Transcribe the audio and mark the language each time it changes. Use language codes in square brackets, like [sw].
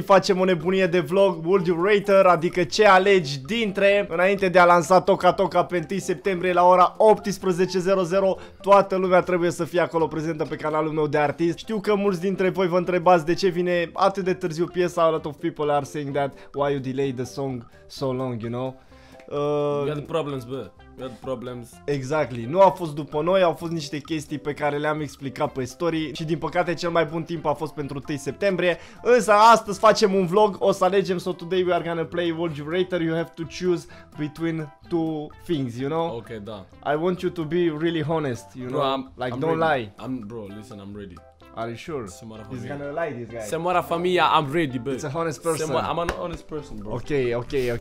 [ro] Facem o nebunie de vlog, World Rater, adică ce alegi dintre. Înainte de a lansa Toca Toca pe 1 septembrie la ora 18:00, toată lumea trebuie să fie acolo prezentă pe canalul meu de artist. Știu că mulți dintre voi vă întrebați de ce vine atât de târziu piesa. [en] A lot of people are saying that, why you delay the song so long, you know? We had problems, bă. We had problems. Exactly. [ro] Nu a fost după noi, au fost niște chestii pe care le-am explicat pe story și din păcate cel mai bun timp a fost pentru 1 septembrie. Însă astăzi facem un vlog, o să alegem. [en] So today we are gonna play World Rater. You have to choose between two things, you know? Okay, da. I want you to be really honest, you bro, know? I'm ready. I'm, bro, listen, I'm ready. Are you sure? He's gonna lie, this guy. Semora Familia, I'm ready, bro. It's an honest person. I'm an honest person, bro. Okay, okay, okay.